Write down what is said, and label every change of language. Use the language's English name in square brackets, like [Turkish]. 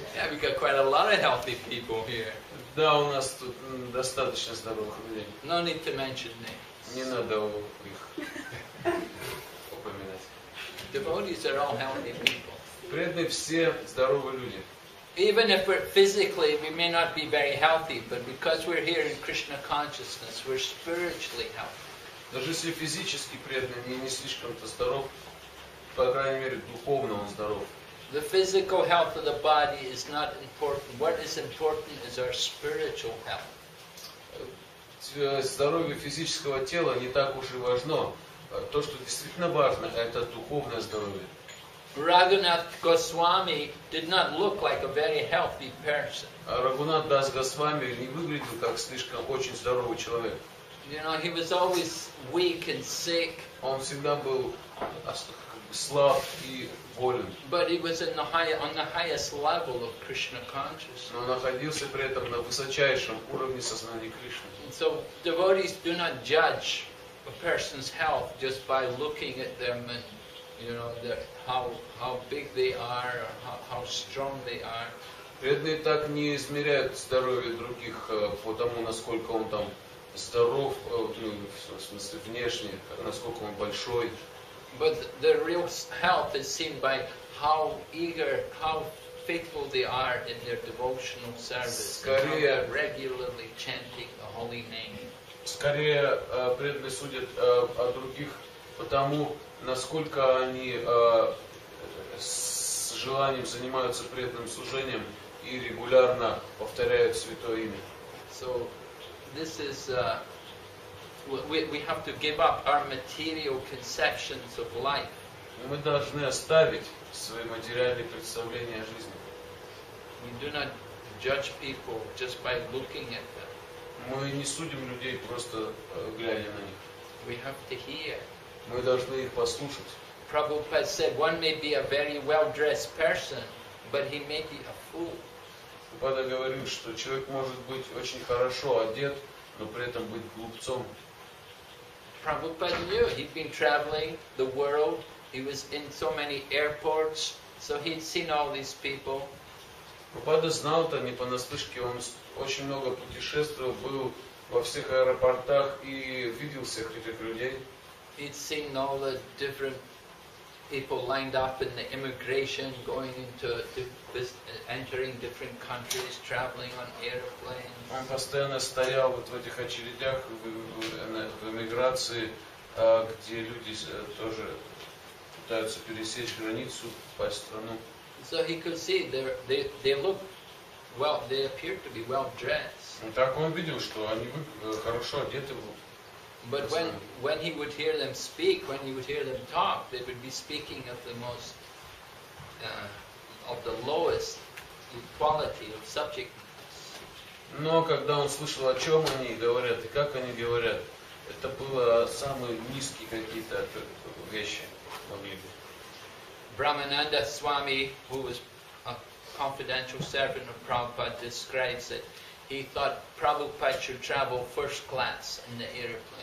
[English] We got quite a lot of healthy people here. [Russian] Да, у нас тут достаточно здоровых людей. [English] No need to mention names. [Russian] Не надо их упоминать. [English] Devotees are all healthy people. [Russian] Преданные все здоровые люди. [English] Even if we're physically, we may not be very healthy, but because we're here in Krishna consciousness, we're spiritually healthy. [Russian] Даже если физически преданный не слишком-то здоров, по крайней мере духовно он здоров. [English] The physical health of the body is not important. What is important is our spiritual health. [Russian] Здоровье физического тела не так уж и важно. То, что действительно важно, это духовное здоровье. [English] Raghunath Goswami did not look like a very healthy person. [Russian] Raghunath Das Goswami не выглядел как слишком очень здоровый человек. [English] You know, he was always weak and sick. [Russian] Он всегда был слаб и болен. [English] But he was on the highest level of Krishna consciousness. [Russian] Но находился при этом на высочайшем уровне сознания Кришны. [English] So devotees do not judge a person's health just by looking at them and, you know, how big they are, how strong they are. [Russian] Преданные так не измеряют здоровье других по тому, насколько он там здоров, в смысле внешне, насколько он большой. [English] But the real health is seen by how eager, how faithful they are in their devotional service. [Russian] Скорее, [English] and how they're regularly chanting the holy name. [Russian] Скорее преданные судят о других потому насколько они с желанием занимаются преданным служением и регулярно повторяют Святое Имя. [English] So, this is, we have to give up our material conceptions of life. [Russian] Мы должны оставить свои материальные представления о жизни. [English] We do not judge people just by looking at them. [Russian] Мы не судим людей, просто глядя на них. [English] We have to hear. [Russian] Мы должны их послушать. [English] Prabhupada said, one may be a very well-dressed person, but he may be a fool. [Russian] Прабхупада говорил, что человек может быть очень хорошо одет, но при этом быть глупцом. [English] Prabhupada knew, he'd been traveling the world, he was in so many airports, so he'd seen all these people. [Russian] Прабхупада знал это не понаслышке, он очень много путешествовал, был во всех аэропортах и видел всех этих людей. [English] He'd seen all the different people lined up in the immigration, going into entering different countries, traveling on airplanes. [Russian] Он постоянно стоял вот в этих очередях в эмиграции, где люди тоже пытаются пересечь границу, попасть в страну. [English] So he could see they look well. They appeared to be well dressed. [Russian] Ну так он видел, что они хорошо одеты были. [English] But when he would hear them speak, when he would hear them talk, they would be speaking of the most, of the lowest quality of subject. [Russian] Но когда он слышал, о чем они говорят и как они говорят, это было самые низкие какие-то вещи могли быть. [English] Brahmananda Swami, who was a confidential servant of Prabhupada, describes that he thought Prabhupada should travel first class in the airplane.